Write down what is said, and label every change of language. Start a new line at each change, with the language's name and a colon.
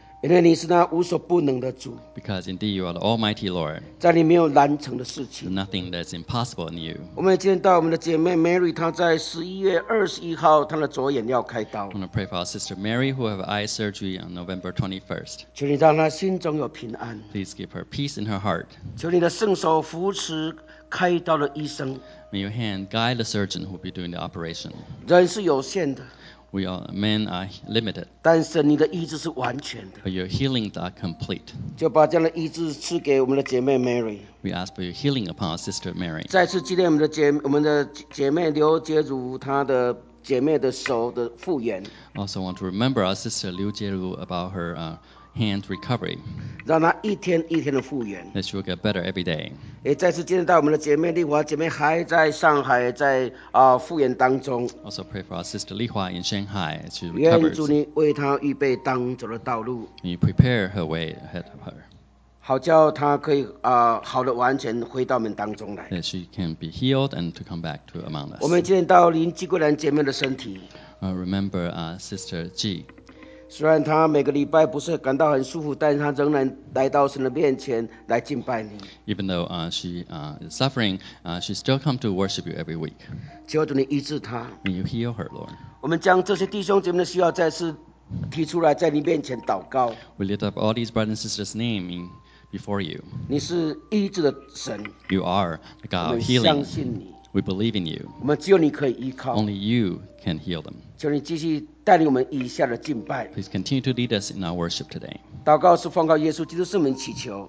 Chinese: 因为你是那无所不能的主
English: Because indeed you are the Almighty, Lord.
Chinese: 在你没有难成的事情
English: Nothing that's impossible in you.
Chinese: 我们也见到我们的姐妹 Mary, 她在11月21号她的左眼要开刀
English: I want to pray for our sister Mary who have eye surgery on November 21st.
Chinese: 求你让她心中有平安
English: Please give her peace in her heart.
Chinese: 求你的圣手扶持开刀的医生
English: May your hand guide the surgeon who will be doing the operation.
Chinese: 人是有限的
English: We all, men are limited.
Chinese: 但是你的医治是完全的。
English: But your healings are complete.
Chinese: 就把这样的医治赐给我们的姐妹 Mary.
English: We ask for your healing upon our sister Mary.
Chinese: 再次纪念我们的姐妹刘洁如她的姐妹的手的复原。
English: Also want to remember our sister 刘洁如 about her、hand recovery.
Chinese: 让她一天一天的复原。
English: That she will get better every day.
Chinese: 也再次纪念到我们的姐妹丽华，姐妹还在上海，在复原当中。
English: Also pray for our sister 丽华 in Shanghai as she recovers.
Chinese: 愿主你为她预备当走的道路。
English: You prepare her way ahead of her.
Chinese: 好叫她可以好的完全回到我们当中来。
English: That she can be healed and to come back to among us.
Chinese: 我们纪念到林继桂兰姐妹的身体。
English: Remember sister G.
Chinese: 虽然他每个礼拜不是感到很舒服，但是他仍然来到神的面前来敬拜你。
English: Even though she is suffering, she still come to worship you every week.
Chinese: 求主你医治他。
English: May you heal her, Lord.
Chinese: 我们将这些弟兄姐妹的需要再次提出来，在你面前祷告。
English: We lift up all these brothers and sisters' name before you.
Chinese: 你是医治的神。
English: You are the God of healing.
Chinese: 我相信你。
English: We believe in you.
Chinese: 我们只有你可以依靠。
English: Only you can heal them.
Chinese: 求你继续带领我们以下的敬拜。
English: Please continue to lead us in our worship today.
Chinese: 祷告是奉告耶稣基督圣名祈求。